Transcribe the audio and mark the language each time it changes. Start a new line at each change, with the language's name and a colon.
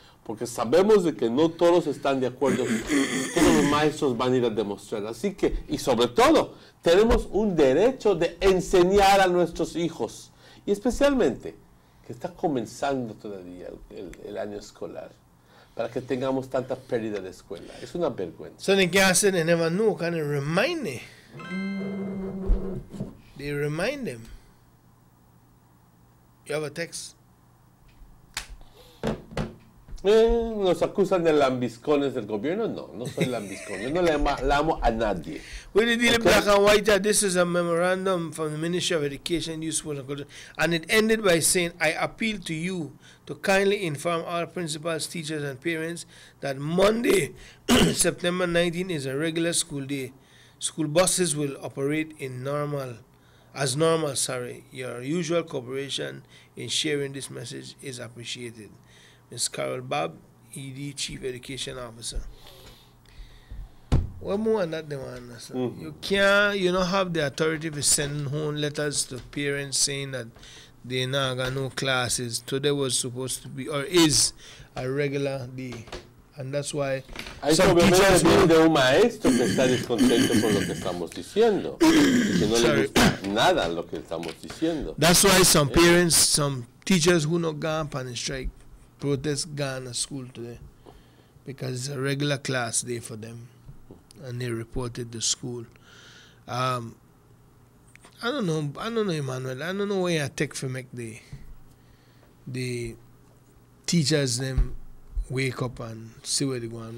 Spanish: Porque sabemos de que no todos están de acuerdo. Todos los maestros van a ir a demostrar. Así que, y sobre todo, tenemos un derecho de enseñar a nuestros hijos. Y especialmente que está comenzando todavía el año escolar, para que tengamos tanta pérdida de escuela. Es una vergüenza.
English: So they can't say they never knew, can they remind them? They remind them. You have a text?
Spanish: ¿Nos acusan de lambiscones del gobierno? No, no soy lambiscón. Yo no le amo a nadie.
English: We did it black and white. This is a memorandum from the Ministry of Education, Youth, Sports and Culture. And it ended by saying, I appeal to you to kindly inform all principals, teachers and parents that Monday, September 19, is a regular school day. School buses will operate as normal. Your usual cooperation in sharing this message is appreciated. Ms. Carol Bob, ED, Chief Education Officer. What more than that, the one? Mm-hmm. You don't have the authority to send home letters to parents saying that they not got no classes. Today was supposed to be, or is, a regular day. A And that's why
Spanish: hay
English: some
Spanish: problema
English: teachers
Spanish: también de un maestro que está descontento con lo que estamos diciendo, que no le gusta nada lo que estamos diciendo.
English: That's why some parents, some teachers who not gone on a strike, protest gone to school today, because it's a regular class day for them, and they reported the school. I don't know, Emmanuel. I don't know where I take for make the teachers them wake up and see where they go on.